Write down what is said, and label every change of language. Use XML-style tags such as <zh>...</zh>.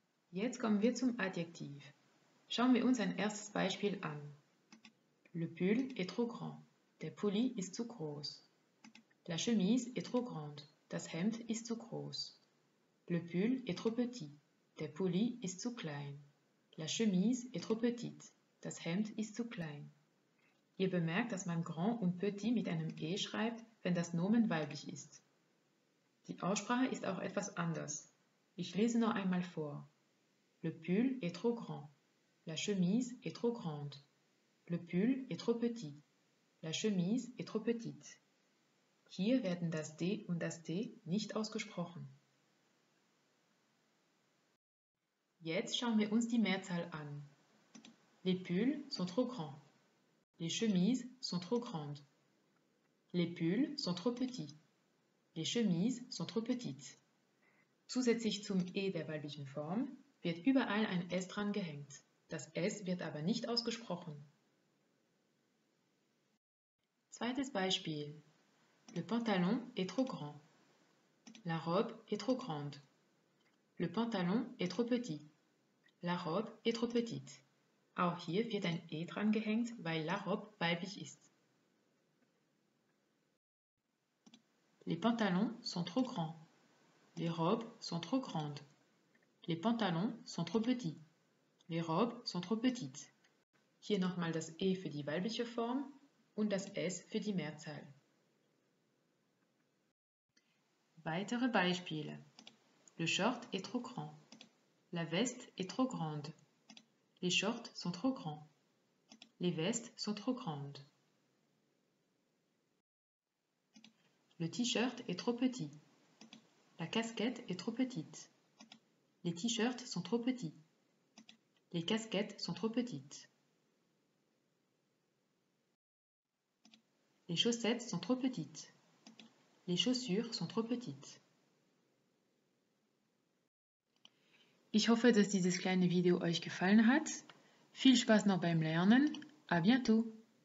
<de>Jetzt kommen wir zum Adjektiv. Schauen wir uns ein erstes Beispiel an.</de> <fr>Le pull est trop grand.</fr> <de>Der Pulli ist zu groß.</de> <fr>La chemise est trop grande.</fr> <de>Das Hemd ist zu groß.</de> <fr>Le pull est trop petit.</fr> <de>Der Pulli ist zu klein.</de> <fr>La chemise est trop petite.</fr> <de>Das Hemd ist zu klein. Ihr bemerkt, dass man grand und petit mit einem E schreibt, wenn das Nomen weiblich ist. Die Aussprache ist auch etwas anders. Ich lese noch einmal vor.</de> <fr>Le pull est trop grand. La chemise est trop grande. Le pull est trop petit. La chemise est trop petite.</fr> <de>Hier werden das D und das T nicht ausgesprochen. Jetzt schauen wir uns die Mehrzahl an.</de> <fr>Les pulls sont trop grands. Les chemises sont trop grandes. Les pulls sont trop petits. Les chemises sont trop petites.</fr> <de>Zusätzlich zum E der weiblichen Form wird überall ein S dran gehängt. Das S wird aber nicht ausgesprochen. Zweites Beispiel.</de> <fr>Le pantalon est trop grand. La robe est trop grande. Le pantalon est trop petit. La robe est trop petite.</fr> <de>Auch hier wird ein E dran gehängt, weil la robe weiblich ist.</de> <fr>Les pantalons sont trop grands. Les robes sont trop grandes. Les pantalons sont trop petits. Les robes sont trop petites.</fr> <de>Hier nochmal das E für die weibliche Form und das S für die Mehrzahl. Weitere Beispiele.</de> <fr>Le short est trop grand. La veste est trop grande. Les shorts sont trop grands. Les vestes sont trop grandes. Le t-shirt est trop petit. La casquette est trop petite. Les t-shirts sont trop petits. Les casquettes sont trop petites. Les chaussettes sont trop petites. Les chaussures sont trop petites.</fr> <de>Ich hoffe, dass dieses kleine Video euch gefallen hat. Viel Spaß noch beim Lernen.</de> <fr>À bientôt!</fr>